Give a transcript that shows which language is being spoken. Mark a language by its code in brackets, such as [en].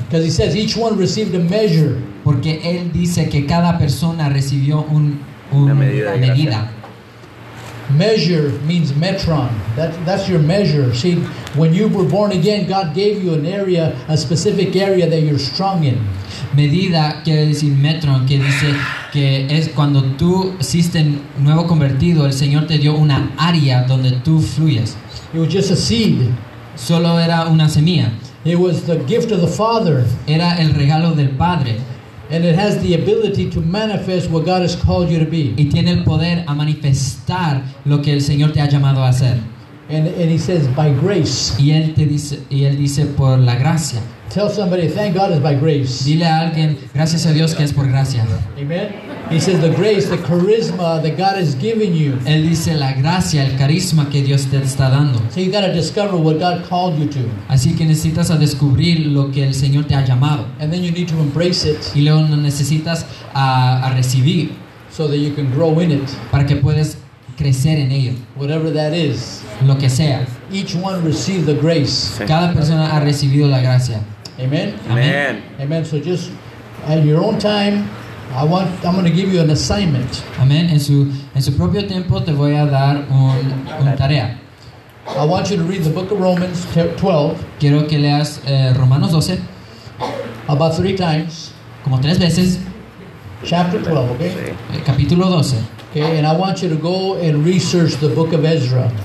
[en] Because he says each one received a measure. [es] Porque él dice que cada persona recibió una medida. [en] Measure means metron. That's your measure. See, when you were born again, God gave you an area, a specific area that you're strong in. [es] Medida quiere decir metron, que dice que es cuando tú hiciste nuevo convertido, el Señor te dio una área donde tú fluyes. [en] It was just a seed. [es] Solo era una semilla. [en] It was the gift of the Father. [es] Era el regalo del Padre. [en] And it has the ability to manifest what God has called you to be. [es] Y tiene el poder a manifestar lo que el Señor te ha llamado a hacer. [en] And he says, by grace. [es] Y él dice, por la gracia. [en] Tell somebody, thank God it's by grace. [es] Dile a alguien, gracias a Dios que es por gracia. [en] Amen. He says, the grace, the charisma that God has given you. [es] Él dice, la gracia, el carisma que Dios te está dando. [en] So you got to discover what God called you to. [es] Así que necesitas a descubrir lo que el Señor te ha llamado. [en] And then you need to embrace it. [es] Y luego lo necesitas a recibir. [en] So that you can grow in it. [es] Para que puedas crecer en ello. [en] Whatever that is. [es] Lo que sea. [en] Each one received the grace. [es] Cada persona ha recibido la gracia. [en] Amen. Amen. Amen. So just at your own time, I'm going to give you an assignment. Amen. [es] En su propio tiempo te voy a dar una tarea. [en] I want you to read the book of Romans 12. [es] Quiero que leas Romanos 12. [en] About three times. [es] Como tres veces. [en] Chapter 12, okay? [es] Capítulo 12. [en] Okay, and I want you to go and research the book of Ezra.